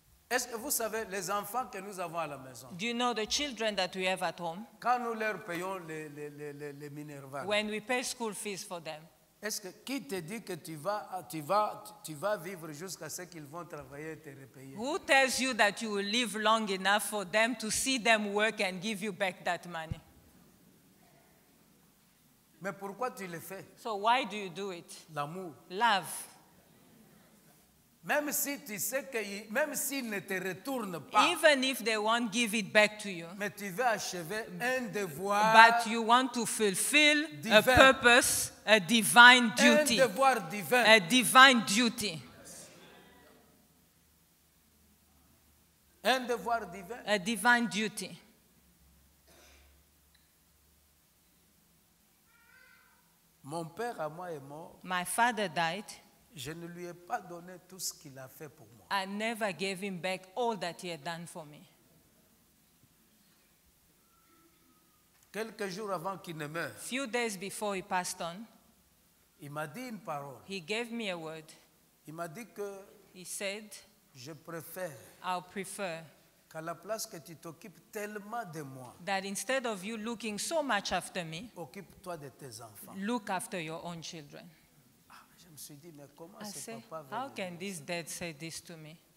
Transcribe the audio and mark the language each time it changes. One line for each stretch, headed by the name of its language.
French: Est-ce que vous savez les enfants que nous avons à la maison?
English: Do you know the children that we have at home?
French: Quand nous leur payons les Minerva.
English: When we pay school fees for them.
French: Est-ce que qui te dit que tu vas vivre jusqu'à ce qu'ils vont travailler et te repayer?
English: Who tells you that you will live long enough for them to see them work and give you back that money?
French: Mais pourquoi tu le fais?
English: So why do you do it?
French: L'amour.
English: Love.
French: Même si tu sais que même s'ils ne te retournent pas.
English: Even if they won't give it back to you.
French: Mais tu veux achever un devoir.
English: But you want to fulfill
French: divin.
English: A purpose, a divine duty.
French: Un devoir divin.
English: A divine duty.
French: Un devoir divin.
English: A divine duty.
French: Mon père à moi est mort.
English: My father died.
French: Je ne lui ai pas donné tout ce qu'il a fait pour moi.
English: I never gave him back all that he had done for me.
French: Quelques jours avant qu'il ne meure.
English: Few days before he passed on.
French: Il m'a dit une parole.
English: He gave me a word.
French: Il m'a dit que.
English: He said.
French: Je préfère.
English: I'll prefer.
French: Qu'à la place que tu t'occupes tellement de moi.
English: That instead of you looking so much after me.
French: Occupe-toi de tes enfants.
English: Look after your own children.
French: Dit, mais comment
English: I say, how can this dad say this to me?